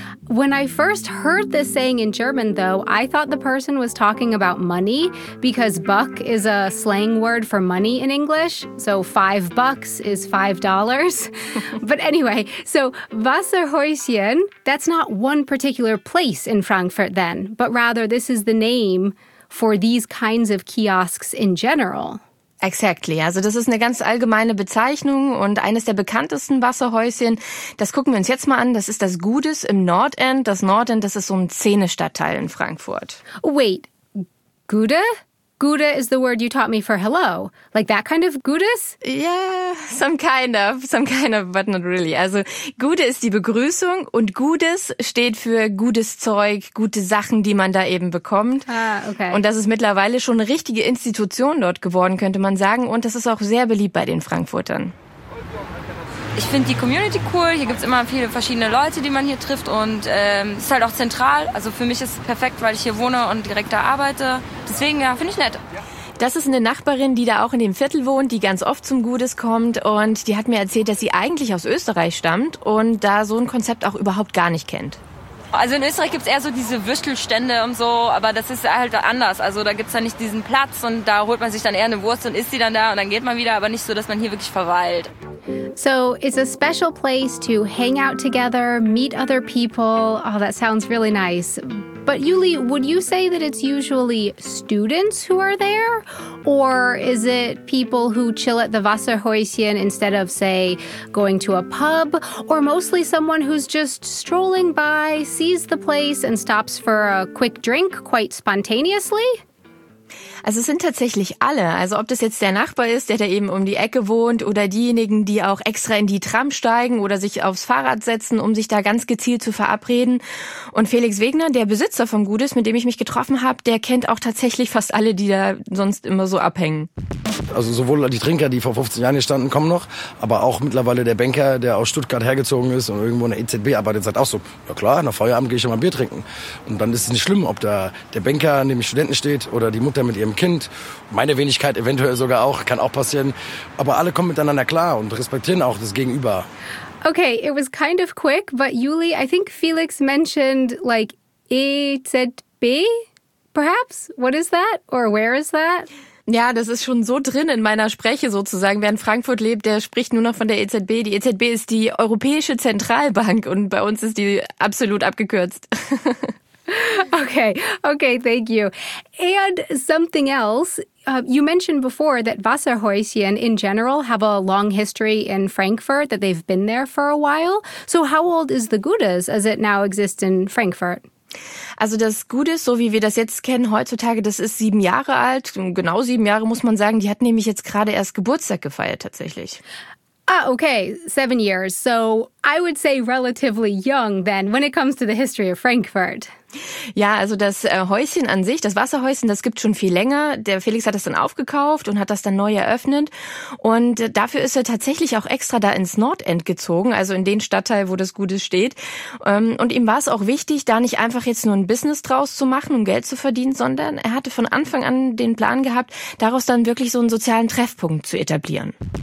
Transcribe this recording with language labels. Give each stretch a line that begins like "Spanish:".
English: When I first heard this saying in German, though, I thought the person was talking about money because buck is a slang word for money in English. So $5 is $5. But anyway, so Wasserhäuschen, that's not one particular place in Frankfurt then, but rather this is the name for these kinds of kiosks in general. Exactly.
German: Also das ist eine ganz allgemeine Bezeichnung und eines der bekanntesten Wasserhäuschen, das gucken wir uns jetzt mal an, das ist das Gutes im Nordend. Das Nordend, das ist so ein Szene-Stadtteil in Frankfurt.
English: Wait, Gute? Gude is the word you taught me for hello. Like that kind of Gudes? Yeah, some kind of, but not really.
German: Also Gude ist die Begrüßung und Gudes steht für gutes Zeug, gute Sachen, die man da eben bekommt.
English: Ah, okay.
German: Und das ist mittlerweile schon eine richtige Institution dort geworden, könnte man sagen. Und das ist auch sehr beliebt bei den Frankfurtern. Ich finde die Community cool. Hier gibt es immer viele verschiedene Leute, die man hier trifft. Und es ist halt auch zentral. Also für mich ist es perfekt, weil ich hier wohne und direkt da arbeite. Deswegen, ja, finde ich nett. Das ist eine Nachbarin, die da auch in dem Viertel wohnt, die ganz oft zum Gudes kommt. Und die hat mir erzählt, dass sie eigentlich aus Österreich stammt und da so ein Konzept auch überhaupt gar nicht kennt. Also in Österreich gibt es eher so diese Würstelstände und so, aber das ist halt anders. Also da gibt es dann nicht diesen Platz und da holt man sich dann eher eine Wurst und isst sie dann da und dann geht man wieder, aber nicht so, dass man hier wirklich verweilt.
English: So it's a special place to hang out together, meet other people. Oh, that sounds really nice. But Yuli, would you say that it's usually students who are there? Or is it people who chill at the Wasserhäuschen instead of, say, going to a pub? Or mostly someone who's just strolling by, sees the place and stops for a quick drink quite spontaneously?
German: Also es sind tatsächlich alle. Also ob das jetzt der Nachbar ist, der da eben um die Ecke wohnt oder diejenigen, die auch extra in die Tram steigen oder sich aufs Fahrrad setzen, um sich da ganz gezielt zu verabreden. Und Felix Wegner, der Besitzer vom Gudes, mit dem ich mich getroffen habe, der kennt auch tatsächlich fast alle, die da sonst immer so abhängen. Also sowohl die Trinker, die vor 15 Jahren hier standen, kommen noch, aber auch mittlerweile der Banker, der aus Stuttgart hergezogen ist und irgendwo in der EZB arbeitet, sagt auch so, ja klar, nach Feierabend gehe ich schon mal ein Bier trinken. Und dann ist es nicht schlimm, ob da der Banker neben dem Studenten steht oder die Mutter mit ihrem Kind, meine Wenigkeit eventuell sogar auch, kann auch passieren. Aber alle kommen miteinander klar und respektieren auch das Gegenüber.
English: Okay, it was kind of quick, but Yuli, I think Felix mentioned like EZB, perhaps? What is that? Or where is that?
German: Ja, das ist schon so drin in meiner Spreche sozusagen. Wer in Frankfurt lebt, der spricht nur noch von der EZB. Die EZB ist die Europäische Zentralbank und bei uns ist die absolut abgekürzt.
English: Okay, thank you. And something else, you mentioned before that Wasserhäuschen in general have a long history in Frankfurt, that they've been there for a while. So how old is the Gudes as it now exists in Frankfurt?
German: Also das Gudes, so wie wir das jetzt kennen heutzutage, das ist 7 Jahre alt, genau 7 Jahre muss man sagen, die hat nämlich jetzt gerade erst Geburtstag gefeiert tatsächlich.
English: Ah, okay, 7 years. So I would say relatively young then when it comes to the history of Frankfurt.
German: Ja, also das Häuschen an sich, das Wasserhäuschen, das gibt schon viel länger. Der Felix hat das dann aufgekauft und hat das dann neu eröffnet. Und dafür ist er tatsächlich auch extra da ins Nordend gezogen, also in den Stadtteil, wo das Gudes steht. Und ihm war es auch wichtig, da nicht einfach jetzt nur ein Business draus zu machen, um Geld zu verdienen, sondern er hatte von Anfang an den Plan gehabt, daraus dann wirklich so einen sozialen Treffpunkt zu etablieren.